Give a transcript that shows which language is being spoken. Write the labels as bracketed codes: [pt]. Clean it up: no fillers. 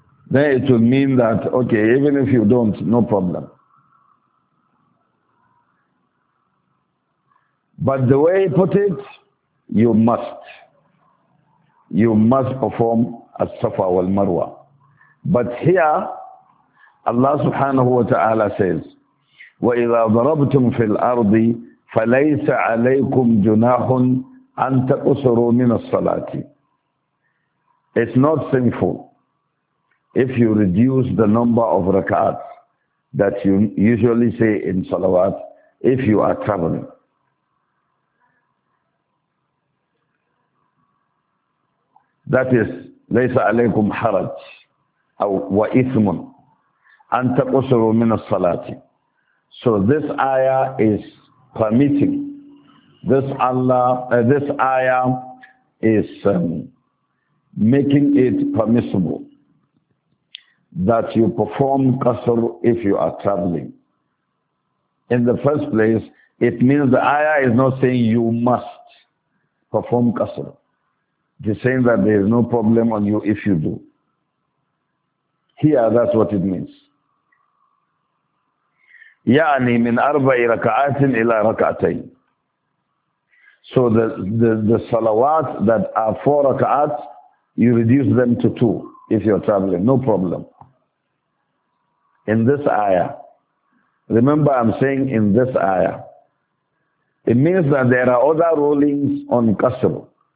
[en] Then it would mean that, okay, even if you don't, no problem. But the way he put it, you must. You must perform As-Safa wal-Marwa. But here, Allah subhanahu wa ta'ala says, [ar] وَإِذَا ضَرَبْتُمْ فِي الْأَرْضِ فَلَيْسَ عَلَيْكُمْ جُنَاحٌ أَن تَقْصُرُوا مِنَ الصَّلَاةِ. [en] It's not sinful if you reduce the number of rak'at that you usually say in salawat if you are traveling. That is, [ar] لَيْسَ عَلَيْكُمْ حَرَجٌ أو وَإِثْمٌ أَن تَقْصُرُوا مِنَ الصَّلَاةِ. [en] So this ayah is permitting. This ayah is making it permissible that you perform qasr if you are traveling. In the first place, it means the ayah is not saying you must perform qasr. It is saying that there is no problem on you if you do. Here, that's what it means. [ar] يعني من أربع ركعات إلى ركعتين. [en] So the salawat that are four rak'at, you reduce them to two if you're traveling, no problem. In this ayah, remember I'm saying in this ayah, it means that there are other rulings on qasr.